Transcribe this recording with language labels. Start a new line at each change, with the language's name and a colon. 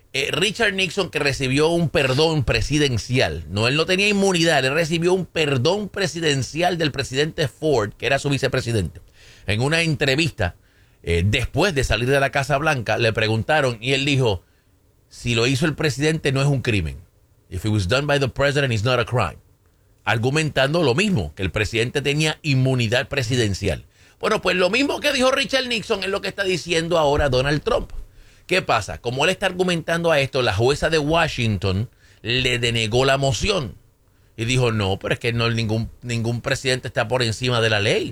Spanish: Richard Nixon, que recibió un perdón presidencial. No, él no tenía inmunidad, él recibió un perdón presidencial del presidente Ford, que era su vicepresidente. En una entrevista, después de salir de la Casa Blanca, le preguntaron y él dijo, si lo hizo el presidente no es un crimen.
English: If it was done by the president, it's not a crime.
Spanish: Argumentando lo mismo, que el presidente tenía inmunidad presidencial. Bueno, pues lo mismo que dijo Richard Nixon es lo que está diciendo ahora Donald Trump. ¿Qué pasa? Como él está argumentando a esto, la jueza de Washington le denegó la moción. Y dijo, no, pero es que no, ningún presidente está por encima de la ley.